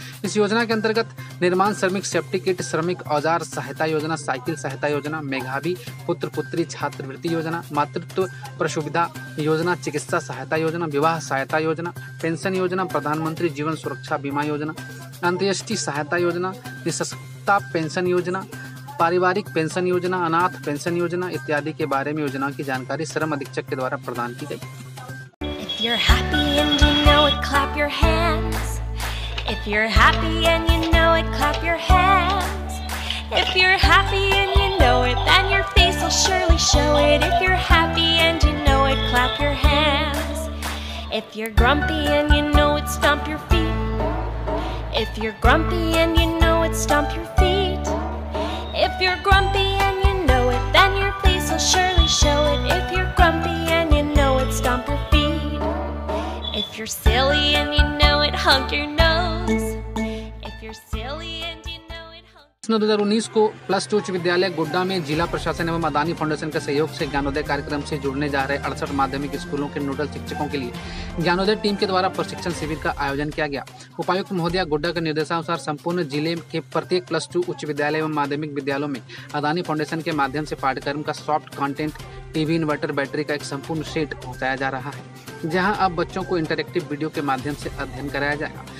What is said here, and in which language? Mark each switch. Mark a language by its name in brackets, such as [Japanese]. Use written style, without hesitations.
[Hindi] इस योजना के अंतर्गत निर्माण श्रमिक सेफ्टी किट, श्रमिक औजार सहायता योजना, साइकिल सहायता योजना, मेघावी पुत्र पुत्री छात्रवृत्ति योजना, मातृत्व प्रसुविधा योजना, चिकित्सा सहायता योजना, विवाह सहायता योजना, पेंशन योजना, प्रधानमंत्री जीवन सुरक्षा बीमा योजना, अंत्येष्टि सहायता योजना, निःशक्तता पेंशन योजना, पारिवारिक पेंशन योजना, अनाथ पेंशन योजना इत्यादि के बारे में योजना की जानकारी श्रम अधीक्षक के द्वारा प्रदान की गई। [English] If you're happy and you know it, clap your hands. If you're happy and you know it, clap your hands. If you're happy and you know it, then your face will surely show it. If you're happy and you know it, clap your hands. If you're grumpy and you know it, stomp your feet. If you're grumpy and you know it, stomp your feet. If you're grumpy and you know it, then your face will surely show it. If you're grumpy and you know it, stomp your feet. If you're silly and you know it, honk your nose. If you're silly and you know it, honk your nose. [Hindi] 2019 को plus two उच्च विद्यालय गोड्डा में जिला प्रशासन एवं Adani foundation के सहयोग से ज्ञानोदय कार्यक्रम से जुड़ने जा रहे 68 माध्यमिक स्कूलों के नोडल शिक्षकों के लिए ज्ञानोदय टीम के द्वारा प्रशिक्षण शिविर का आयोजन किया गया। उपायुक्त महोदया गोड्डा के निर्देशानुसार संपूर्ण जिले के प्रत्येक प्लस टू उच्च विद्यालय एवं माध्यमिक विद्यालयों में अदानी फाउंडेशन के माध्यम से पाठ्यक्रम का soft content, TV, inverter, battery का एक संपूर्ण सेट पहुंचाया जा रहा है, जहां अब बच्चों को इंटरैक्टिव वीडियो के माध्यम से अध्ययन कराया जाएगा।